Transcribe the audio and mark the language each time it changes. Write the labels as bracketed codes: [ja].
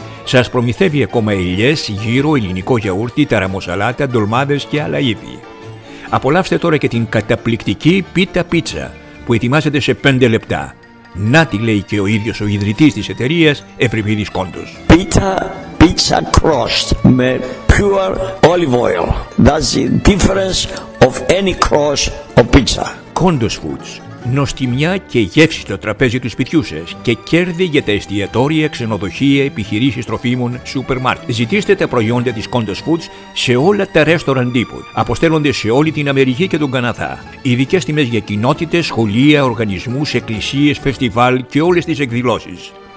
[el] Σας προμηθεύει ακόμα ελιές, γύρο, ελληνικό γιαούρτι, ταραμοσαλάτα, ντολμάδες και άλλα ύφη. Απολαύστε τώρα και την καταπληκτική πίτα πίτσα που ετοιμάζεται σε 5 λεπτά. Να τη λέει και ο ίδιος ο ιδρυτής της εταιρείας, Ευρυπίδης Κόντος. [en] Pizza, pizza crust με pure olive oil. That's the difference of any crust or pizza. Kondos Foods. [el] Νοστιμιά και γεύση στο τραπέζι του σπιτιού σας και κέρδη για τα εστιατόρια, ξενοδοχεία, επιχειρήσεις τροφίμων, σούπερ μάρκετ. Ζητήστε τα προϊόντα της Kondos Foods σε όλα τα ρέστοραν τύπου. Αποστέλλονται σε όλη την Αμερική και τον Καναδά. Ειδικές τιμές για κοινότητες, σχολεία, οργανισμούς, εκκλησίες, φεστιβάλ και όλες τις εκδηλώσεις.